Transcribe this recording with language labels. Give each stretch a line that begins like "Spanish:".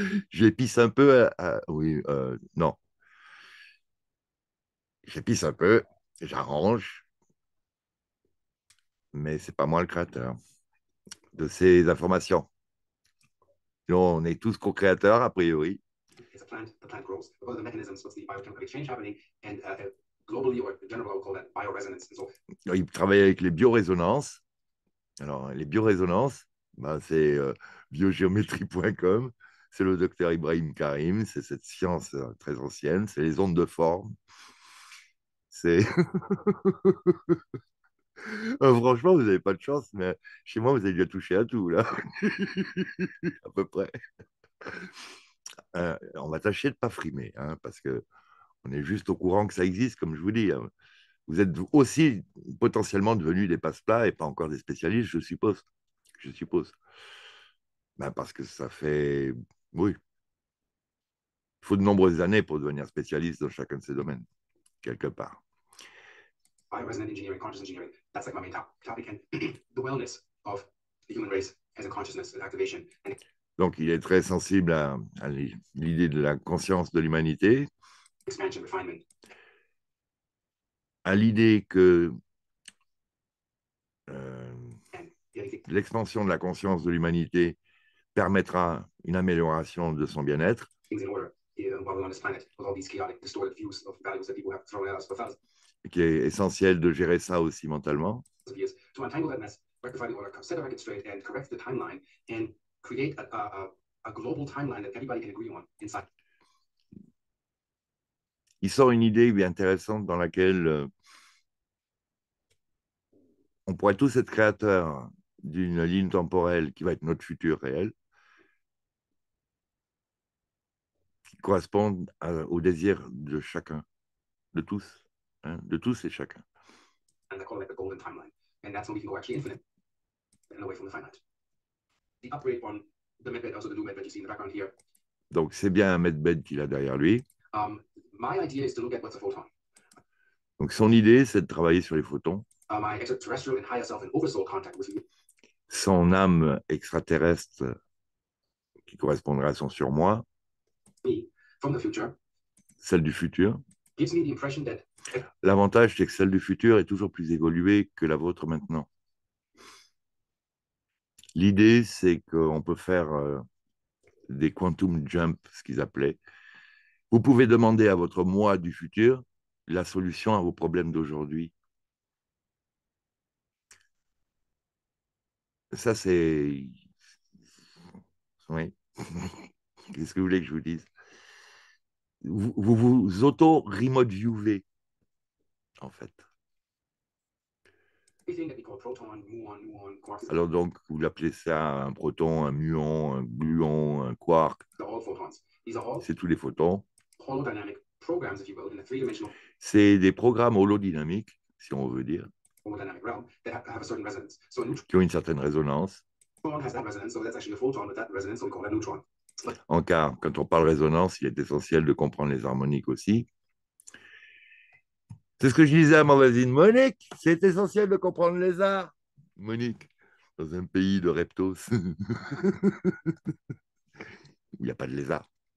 French: J'épice un peu. Oui, non. J'épice un peu, j'arrange, mais c'est pas moi le créateur de ces informations. Nous, on est tous co-créateurs, a priori.
English: As the plant grows, what are the mechanisms, what's the biochemical exchange happening, and globally or generally, I would call that bioresonance. So
French: Il travaille avec les biorésonances. Alors, les biorésonances, ben, c'est biogéométrie.com. C'est le docteur Ibrahim Karim. C'est cette science très ancienne. C'est les ondes de forme. Franchement, vous n'avez pas de chance, mais chez moi, vous avez déjà touché à tout, là. À peu près. On va tâcher de ne pas frimer, hein, parce que on est juste au courant que ça existe, comme je vous dis. Hein. Vous êtes aussi potentiellement devenus des passe-plats et pas encore des spécialistes, je suppose. Je suppose. Ben, parce que ça fait. Oui. Il faut de nombreuses années pour devenir spécialiste dans chacun de ces domaines, quelque part.
English: bioresonant engineering, conscious engineering, that's like my main topic. And the wellness of the human race as a consciousness, as activation. And
French: Donc, il est très sensible à l'idée de la conscience de l'humanité,
English: expansion, refinement.
French: à l'idée que
English: And the other thing.
French: l'expansion de la conscience de l'humanité permettra une amélioration de son bien-être.
English: Things in order. While we're on this planet, with all these chaotic, distorted views of values that people have thrown at us for thousands.
French: Qui est essentiel de gérer ça aussi mentalement.
English: Is to untangle that mess, rectify the order, set the record straight, and correct the timeline, and create a global timeline that everybody can agree on inside.
French: Il sort une idée bien intéressante dans laquelle on pourrait tous être créateurs d'une ligne temporelle qui va être notre futur réel, qui correspond au désir de chacun, de tous. Hein, de tous et chacun.
English: And they call it like the golden timeline. And that's when we can go actually infinite and away from the finite. The upgrade on the MedBed, also the new MedBed you see in the background here.
French: Donc c'est bien un Medbed qu'il a derrière lui.
English: My idea is to look at what's a photon.
French: Donc son idée, c'est de travailler sur les photons.
English: My extraterrestrial and higher self and oversoul contact with you.
French: Son âme extraterrestre qui correspondrait à son surmoi,
English: Me, from the future,
French: celle du futur.
English: gives me the impression that.
French: L'avantage, c'est que celle du futur est toujours plus évoluée que la vôtre maintenant. L'idée, c'est qu'on peut faire des quantum jump, ce qu'ils appelaient. Vous pouvez demander à votre moi du futur la solution à vos problèmes d'aujourd'hui. Ça, c'est. Oui. Qu'est-ce que vous voulez que je vous dise? Vous auto-remote-viewez. En fait.
English: Everything that we call proton, muon, quarks.
French: Alors donc, vous l'appelez ça un proton, un muon, un gluon, un quark.
English: They're all photons. These are all
French: C'est tous les photons.
English: holodynamic programs, if you will, in a three-dimensional
French: C'est des programmes holodynamiques, si on veut dire,
English: holodynamic realm that have a certain resonance. So a neutron
French: qui ont une certaine résonance.
English: has that resonance, so that's actually a photon with that resonance, so we call that neutron. But
French: En cas, quand on parle résonance, il est essentiel de comprendre les harmoniques aussi. C'est ce que je disais à ma voisine Monique. C'est essentiel de comprendre les arts. Monique, dans un pays de reptos, où il n'y a pas de lézards.